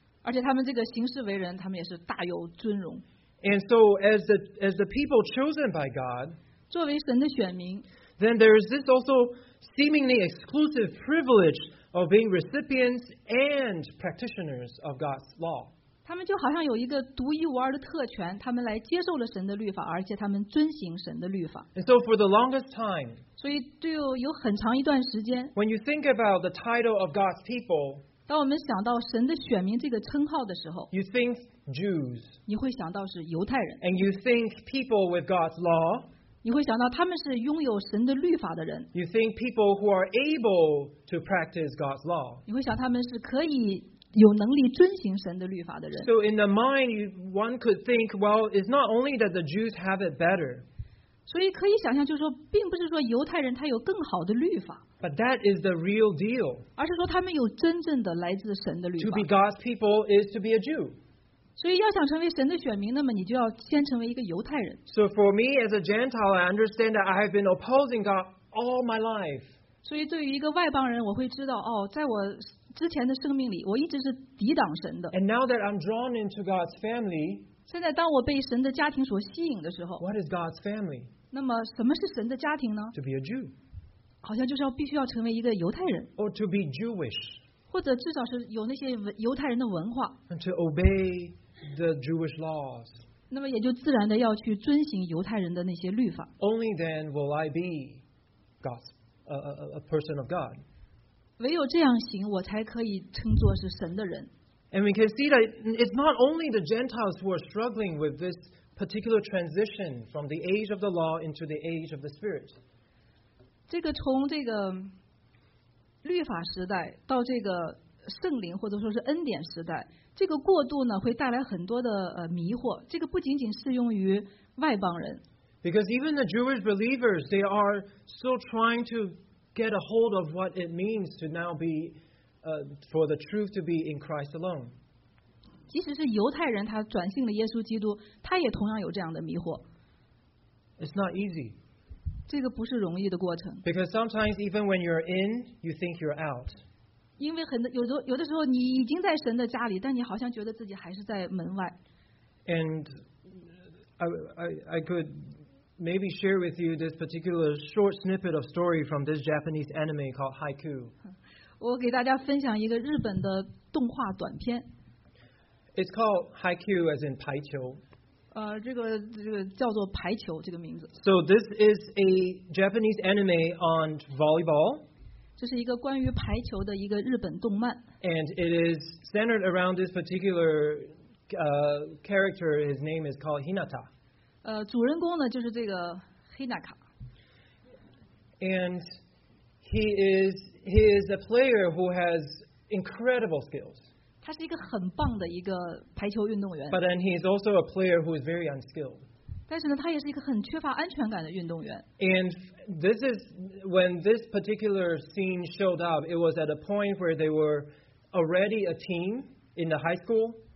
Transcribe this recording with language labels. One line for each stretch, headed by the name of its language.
Chinese: 而且他们这个行事为人，他们也是大有尊荣。
English: And so as the people chosen by God,
Chinese: 作为神的选民
English: ，then there is this also. Seemingly exclusive privilege of being recipients and practitioners of God's law.
Chinese: 他们就好像有一个独一无二的特权，他们来接受了神的律法，而且他们遵行神的律法。
English: And so for the longest time,
Chinese: 所以对有很长一段时间
English: when you think about the title of God's people,
Chinese: 当我们想到神的选民这个称号的时候
English: you think Jews,
Chinese: 你会想到是犹太人
English: and you think people with God's law,
Chinese: 你会想到他们是拥有神的律法的人。
English: You think people who are able to practice God's law.
Chinese: 你会想他们是可以有能力遵行神的律法的人。
English: So in the mind, one could think, well, it's not only that the Jews have it better.
Chinese: 所以可以想象就是说并不是说犹太人他有更好的律法。
English: But that is the real deal.
Chinese: 而是说他们有真正的来自神的律法。
English: To be God's people is to be a Jew.
Chinese: 所以要想成为神的选民，那么你就要先成为一个犹太人。
English: So for me as a Gentile, I understand that I have been opposing God all my life.
Chinese: 所以对于一个外邦人，我会知道，哦，在我之前的生命里，我一直是抵挡神的。
English: And now that I'm drawn into God's family,
Chinese: 现在当我被神的家庭所吸引的时候
English: ，What is God's family?
Chinese: 那么什么是神的家庭呢
English: ？To be a Jew.
Chinese: 好像就是要必须要成为一个犹太人。
English: Or to be Jewish.
Chinese: 或者至少是有那些犹太人的文化。
English: And to obey. The Jewish laws.
Chinese: 那么也就自然的要去遵行犹太人的那些律法。
English: Only then will I be God's a person of God.
Chinese: 唯有这样行，我才可以称作是神的人。
English: And we can see that it's not only the Gentiles who are struggling with this particular transition from the age of the law into the age of the Spirit.
Chinese: 这个从这个律法时代到这个圣灵或者说是恩典时代。这个过渡呢会带来很多的迷惑，这个不仅仅适用于外邦人。
English: Because even the Jewish believers, they are still trying to get a hold of what it means to now be, for the truth to be in Christ alone.
Chinese: 即使是犹太人，他转信了耶稣基督，他也同样有这样的迷惑。
English: It's not easy.
Chinese: 这个不是容易的过程。
English: Because sometimes even when you're in, you think you're out.
Chinese: 因为很有的时候你已经在神的家里，但你好像觉得自己还是在门外。
English: And I could maybe share with you this particular short snippet of story from this Japanese anime called Haiku.
Chinese: 我给大家分享一个日本的动画短片。
English: It's called Haiku, as in 排球。
Chinese: 这个叫做排球这个名字。
English: So this is a Japanese anime on volleyball.
Chinese: 这是一个关于排球的一个日本动漫。
English: And it is centered around this particular character. His name is called Hinata.
Chinese: 主人公呢就是这个黑娜卡。
English: And he is a player who has incredible skills.
Chinese: 他是一个很棒的一个排球运动员。
English: But then he is also a player who is very unskilled.
Chinese: 但是呢，他也是一个很缺乏安全感的运动员。
English: And this is when this particular scene showed up. It was at a point where they were already a team in the high school.